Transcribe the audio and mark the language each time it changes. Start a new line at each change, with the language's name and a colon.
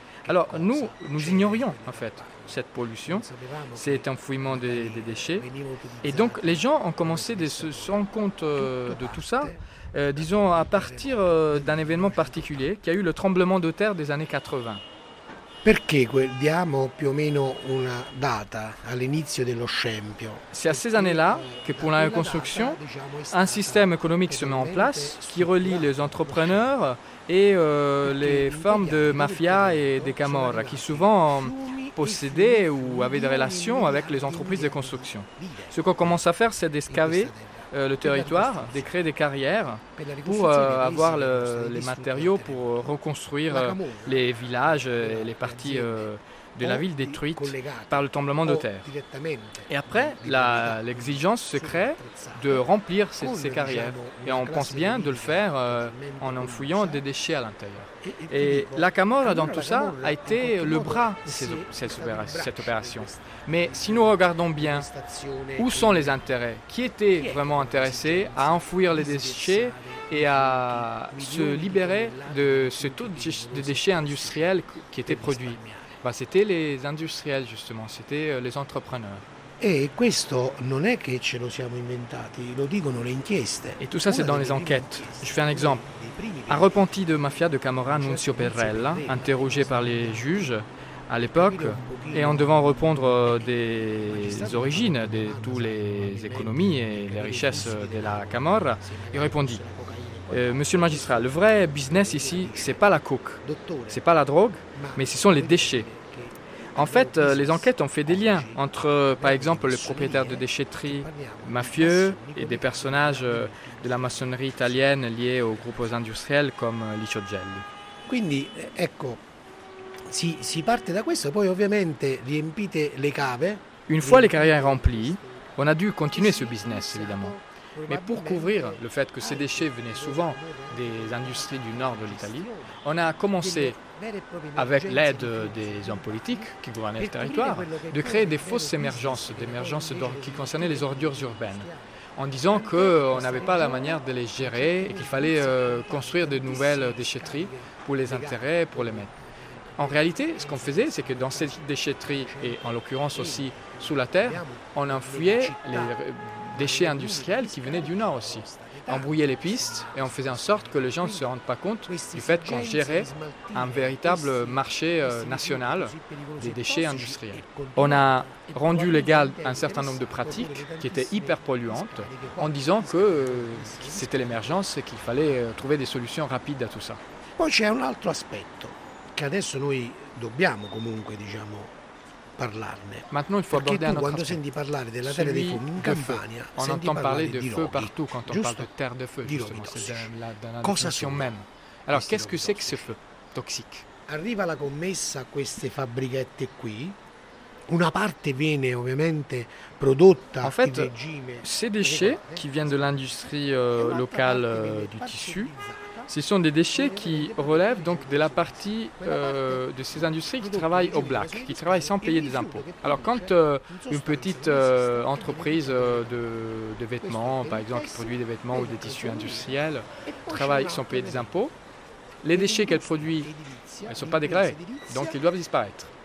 French: Alors nous ignorions en fait cette pollution, cet enfouissement des déchets. Et donc les gens ont commencé à se rendre compte de tout ça. Disons à partir d'un événement particulier qui a eu le tremblement de terre des années 80.
Italian: Perché diamo più o meno una data all'inizio dello scempio?
French: C'est à ces années-là que, pour la reconstruction, un système économique se met en place qui relie les entrepreneurs et les formes de mafia et des camorra qui souvent possédaient ou avaient des relations avec les entreprises de construction. Ce qu'on commence à faire, c'est d'excaver le territoire, de créer des carrières pour avoir les matériaux pour reconstruire les villages et les parties de la ville détruites par le tremblement de terre. Et après, l'exigence se crée de remplir ces carrières. Et on pense bien de le faire en enfouillant des déchets à l'intérieur. Et la camorra, dans tout ça, a été le bras de cette opération. Mais si nous regardons bien, où sont les intérêts? Qui était vraiment intéressé à enfouir les déchets et à se libérer de ce taux de déchets industriels qui était produit? Bah, c'était les industriels, justement, c'était les entrepreneurs.
Italian: Et questo non è che ce lo siamo inventati, lo dicono le inchieste.
French: Et tout ça, c'est dans les enquêtes. Je fais un exemple. Un repenti de mafia de Camorra, Nunzio Perrella, interrogé par les juges à l'époque, et en devant répondre des origines de toutes les économies et les richesses de la Camorra, il répondit: Monsieur le magistrat, le vrai business ici, c'est pas la coke, c'est pas la drogue, mais ce sont les déchets. En fait, les enquêtes ont fait des liens entre, par exemple, les propriétaires de déchetteries mafieux et des personnages de la maçonnerie italienne liés aux groupes industriels comme Licio Gelli.
Italian: Quindi, ecco, si parte da questo, poi ovviamente riempite le cave.
French: Une fois les carrières remplies, on a dû continuer ce business, évidemment. Mais pour couvrir le fait que ces déchets venaient souvent des industries du nord de l'Italie, on a commencé, avec l'aide des hommes politiques qui gouvernaient le territoire, de créer des fausses émergences, des émergences qui concernaient les ordures urbaines, en disant qu'on n'avait pas la manière de les gérer et qu'il fallait construire de nouvelles déchetteries pour les intérêts, pour les mettre. En réalité, ce qu'on faisait, c'est que dans ces déchetteries, et en l'occurrence aussi sous la terre, on enfouillait les déchets industriels qui venaient du nord aussi. On brouillait les pistes et on faisait en sorte que les gens ne se rendent pas compte du fait qu'on gérait un véritable marché national des déchets industriels. On a rendu légal un certain nombre de pratiques qui étaient hyper polluantes en disant que c'était l'émergence et qu'il fallait trouver des solutions rapides à tout ça.
Italian: Poi c'è un altro aspetto che adesso noi dobbiamo comunque, diciamo, parlarne.
French: Maintenant, il faut aborder un autre aspect. Parler de la terre de feu
Italian: in Campania,
French: on entend parler de feu partout quand on parle de terre de feu, justement, c'est dans la définition même. Alors, qu'est-ce que c'est que ce feu toxique?
Italian: Arriva la commessa a queste fabbrichette qui, una parte viene ovviamente prodotta in regime.
French: En fait, ces déchets qui viennent de l'industrie locale du tissu, ce sont des déchets qui relèvent donc de la partie de ces industries qui travaillent au black, qui travaillent sans payer des impôts. Alors quand une petite entreprise de vêtements, par exemple, qui produit des vêtements ou des tissus industriels, travaille sans payer des impôts, les déchets qu'elle produit ne sont pas déclarés, donc ils doivent disparaître.